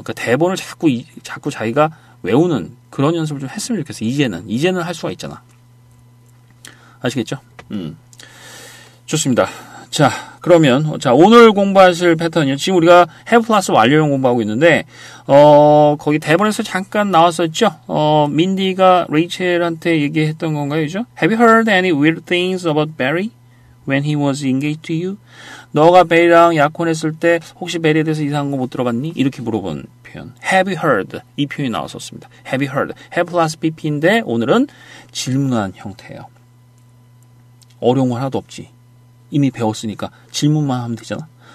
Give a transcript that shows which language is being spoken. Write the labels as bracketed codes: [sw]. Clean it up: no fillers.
[ko] 그러니까 대본을 자꾸 자기가 외우는 그런 연습을 좀 했으면 좋겠어요. 이제는 할 수가 있잖아. 아시겠죠? 좋습니다. 자, 그러면 자, 오늘 공부하실 패턴이요. 지금 우리가 have 플러스 완료형 공부하고 있는데 거기 대본에서 잠깐 나왔었죠? 민디가 레이첼한테 얘기했던 건가요? 그죠? [en] Have you heard any weird things about Barry when he was engaged to you? [ko] 너가 베리랑 약혼했을 때 혹시 베리에 대해서 이상한 거 못 들어봤니? 이렇게 물어본 표현. [en] Have you heard? [ko] 이 표현이 나왔었습니다. [en] Have you heard? [ko] Have 플러스 BP인데 오늘은 질문한 형태예요. 어려운 건 하나도 없지. 이미 배웠으니까 질문만 하면 되잖아.